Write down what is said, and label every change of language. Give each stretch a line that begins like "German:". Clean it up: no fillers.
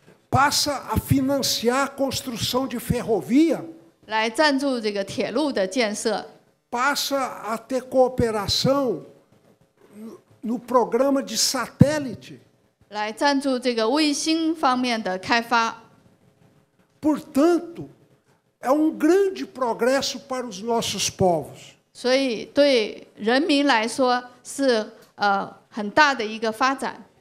Portuguese: passa a financiar a construção de ferrovia
Chinese: 来赞助这个铁路的建设
Portuguese: passa a ter cooperação no programa de satélite
Chinese: 来赞助这个卫星方面的开发
Portuguese: portanto é um grande progresso para os nossos povos.
Chinese: 所以对人民来说是, 很大的一个发展.